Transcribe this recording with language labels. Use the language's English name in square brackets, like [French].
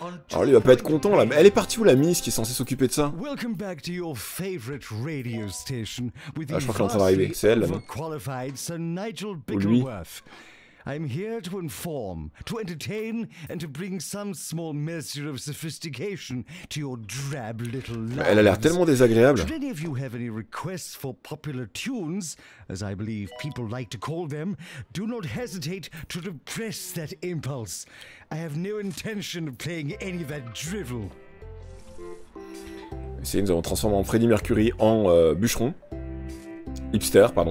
[French] Alors lui, il va pas être content là, mais elle est partie où la miss qui est censée s'occuper de ça? [English] Welcome back to your favorite radio station with the overqualified Sir Nigel Bickleworth. I'm here to inform, to entertain and to bring some small measure of sophistication to your drab little lives. [French] Elle a l'air tellement désagréable. [English] Do any of you have any requests for popular tunes, as I believe people like to call them? Do not hesitate to repress that impulse. I have no intention of playing any of that drivel. [French] Si nous avons transformé en Freddie Mercury en bûcheron. Hipster.